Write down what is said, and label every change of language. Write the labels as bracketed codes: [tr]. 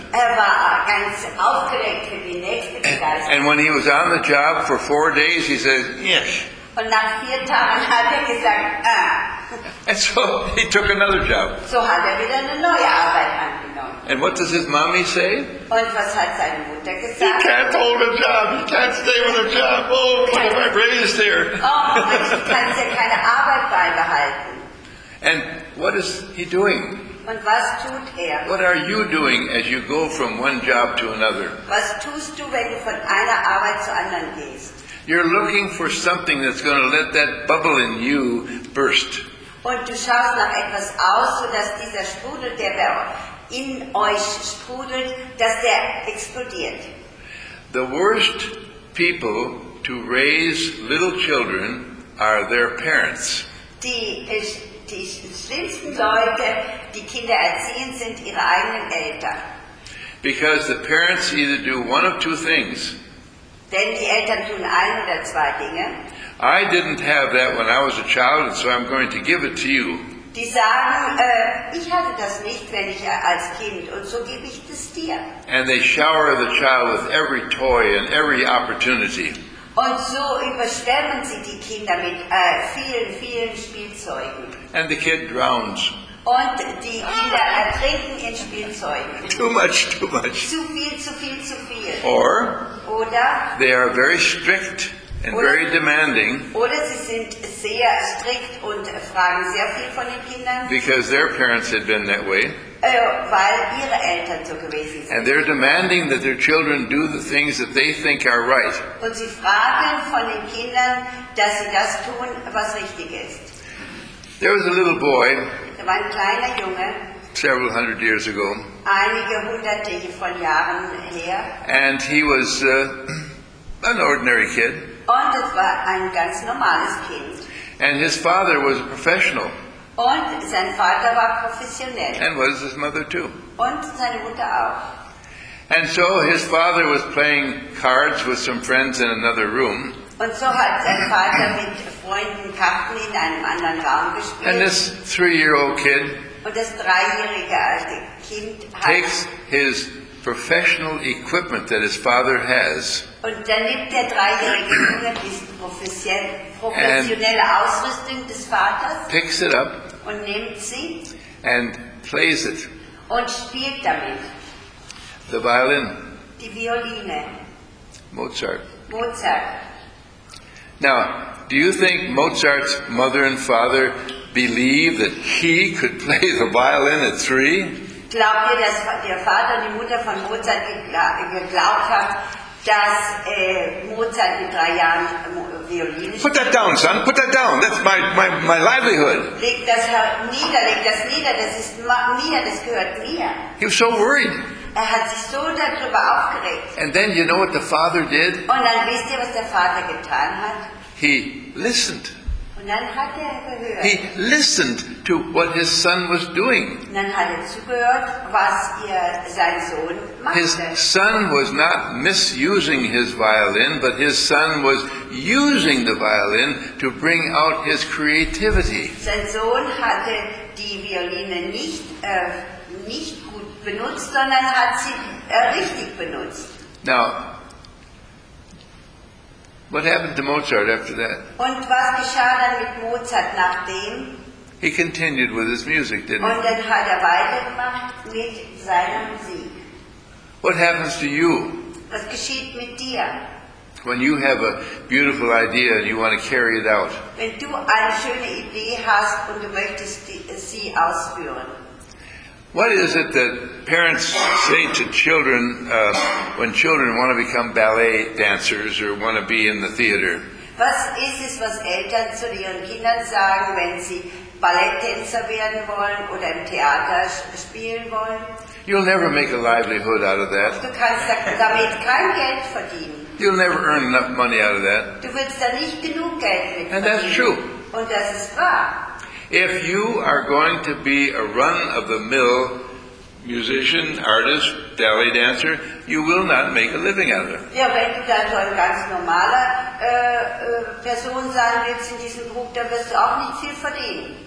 [de] Er war ganz aufgeregt für die nächste Begeisterung. [en] And when he was on the job for 4 days, he said, yes. [de] Und nach 4 Tagen hat er gesagt, [en] And so he took another job. [de] So hat er wieder eine neue Arbeit angenommen. [en] And what does his mommy say? [de] Und was hat seine Mutter gesagt? [en] He can't hold a job. He can't stay with a job. Oh, what am I raised here? [de] Oh, man, kann sich keine Arbeit beibehalten. [en] And what is he doing? [de] Und was tut er? [en] What are you doing as you go from one job to another? [de] Was tust du, wenn du von einer Arbeit zur anderen gehst? [en] You're looking for something that's going to let that bubble in you burst. [de] Und du schaust nach etwas aus, so dass dieser Sprudel, der in euch sprudelt, dass der explodiert. [en] The worst people to raise little children are their parents. [de] Die schlimmsten Leute, die Kinder erziehen, sind ihre eigenen Eltern. [en] Because the parents either do one of two things. [de] Denn die Eltern tun ein oder zwei Dinge. [en] I didn't have that when I was a child, so I'm going to give it to you. [de] Die sagen, ich hatte das nicht, wenn ich als Kind, und so gebe ich das dir. [en] And they shower the child with every toy and every opportunity. [de] Und so überschwemmen sie die Kinder mit vielen, vielen Spielzeugen. [en] And the kid drowns. [de] Und die Kinder ertrinken in Spielzeugen. [en] Too much, too much. [de] Zu viel, zu viel, zu viel. [en] Or, [de] oder, [en] they are very strict and very demanding. [de] Oder sie sind sehr strikt und fragen sehr viel von den Kindern. [en] Because their parents had been that way. [de] Weil ihre Eltern so gewesen sind. [en] And they're demanding that their children do the things that they think are right. [de] Und sie fragen von den Kindern, dass sie das tun, was richtig ist. [en] There was a little boy. [de] Da war ein kleiner Junge. [en] Several hundred years ago. [de] Einige hunderte von Jahren her. [en] And he was an ordinary kid. [de] Und es war ein ganz normales Kind. [en] And his father was a professional. [de] Und sein Vater war professionell. [en] And was his mother too. [de] Und seine Mutter auch. [en] And so his father was playing cards with some friends in another room. [de] Und so hat sein Vater mit Freunden Karten in einem anderen Raum gespielt. [en] And this three-year-old kid. [de] Und das dreijährige alte Kind hat [en] takes his professional equipment that his father has. [de] Und dann nimmt der dreijährige Junge diese professionelle Ausrüstung des Vaters. [en] Picks it up. [de] Und nimmt sie. [en] And plays it. [de] Und spielt damit. [en] The violin. [de] Die Violine. [en] Mozart. [de] Mozart. [en] Now, do you think Mozart's mother and father believe that he could play the violin at three? [de] Glaubt ihr, dass der Vater und die Mutter von Mozart geglaubt haben, dass Mozart mit 3 Jahren Violine spielt? [en] Put that down, son. Put that down. That's my livelihood. [de] Leg das nieder. Leg das nieder. Das ist mir. Das gehört mir. [en] He was so worried. [de] Er hat sich so darüber aufgeregt. [en] And then you know what the father did? [de] Und dann wisst ihr, was der Vater getan hat? [en] He listened. [de] Und dann hat er gehört. [en] He listened to what his son was doing. [de] Und dann hat er zugehört, was sein Sohn machte. [en] His son was not misusing his violin, but his son was using the violin to bring out his creativity. [de] Sein Sohn hatte die Violine nicht gut benutzt, sondern hat sie richtig benutzt. [en] Now, what happened to Mozart after that? [de] Und was geschah dann mit Mozart nachdem? [en] He continued with his music, didn't he? [de] Und dann hat weitergemacht mit seiner Musik. [en] What happens to you? [de] Was geschieht mit dir? [en] When you have a beautiful idea and you want to carry it out. [de] Wenn du eine schöne Idee hast und du möchtest sie ausführen. [en] What is it that parents say to children when children want to become ballet dancers or want to be in the theater? [de] Was ist es, was Eltern zu ihren Kindern sagen, wenn sie Balletttänzer werden wollen oder im Theater spielen wollen? [en] You'll never make a livelihood out of that. [de] Du kannst damit kein Geld verdienen. [en] You'll never earn enough money out of that. [de] Du wirst da nicht genug Geld mit verdienen. [en] And that's true. [de] Und das ist wahr. [en] If you are going to be a run-of-the-mill musician, artist, ballet dancer, you will not make a living out of it. [de] Ja, wenn du da so ein ganz normaler Person sein willst in diesem Beruf, dann wirst du auch nicht viel verdienen.